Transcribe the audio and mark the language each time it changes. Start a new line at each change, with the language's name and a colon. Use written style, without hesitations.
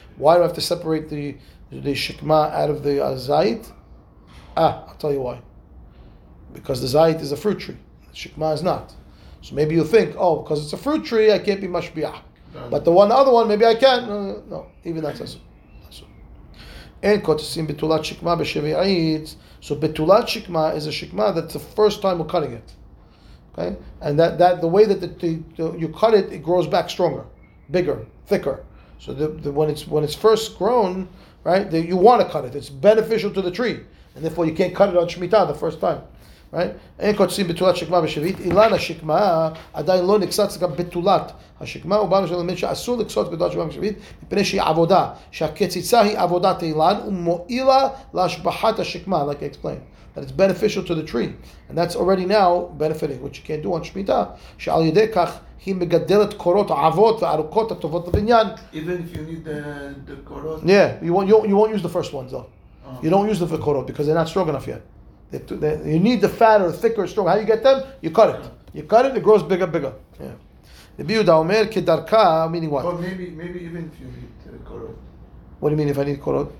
English: Why do I have to separate the shikma out of the zayit? Ah, I'll tell you why. Because the zayit is a fruit tree. The shikma is not. So maybe you think, oh, because it's a fruit tree, I can't be mashbiach. But the one other one, maybe I can. No, even that's us.
Hebrew: אין קוטסים בתולת שקמה בשביעית.
English: So בתולת שקמה is a שקמה that's the first time we're cutting it. Okay? And that the way that you cut it, it grows back stronger, bigger, thicker. So when it's first grown, right, you want to cut it. It's beneficial to the tree. And therefore you can't cut it on Shemitah the first time. Right?
Hebrew: אין קוטסים בתולת שקמה בשביעית. אילן השקמה עדיין לא נקצץ גם בתולת. השקמה הוא בא משל למד שאסור לקצות בתולת שקמה בשביעית, מפני שהיא עבודה, שהקציצה היא עבודת אילן, ומועילה להשבחת השקמה,
English: like I explained. That it's beneficial to the tree. And that's already now benefiting, which you can't do on Shemitah.
Hebrew: שעל ידי כך, היא מגדלת קורות עבות וארוכות הטובות לבניין.
English: Even if you need the קורות? Yeah, you won't use the first ones though. Uh-huh. You don't use the קורות because they're not strong enough yet. You need the fatter, thicker, stronger. How you get them? You cut it. Uh-huh. You cut it, it grows bigger. Yeah. Rabbi Yehuda
Hebrew: omer kedarkah,
English: meaning what? Oh, maybe even if you need a korot. What do you mean if I need korot?